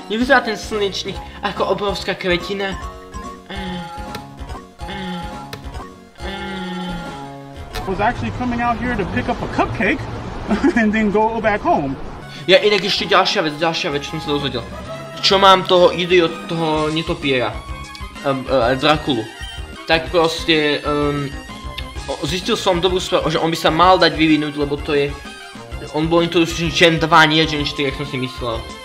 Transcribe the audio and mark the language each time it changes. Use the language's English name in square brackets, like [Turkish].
[Slovak] Nevyzerá ten slnečník ako obrovská kvetina. [English] Was actually coming out here to pick up a cupcake and then go back home. [Slovak] Ja inak ešte ďalšia vec, čo som sa dozvedel. Čo mám toho idiot, toho netopiera? Drakulu. Tak proste, zistil som dobrú správu, že on by sa mal dať vyvinúť, lebo to je, on bol introducený Gen 2, nie Gen 4, jak som si myslel.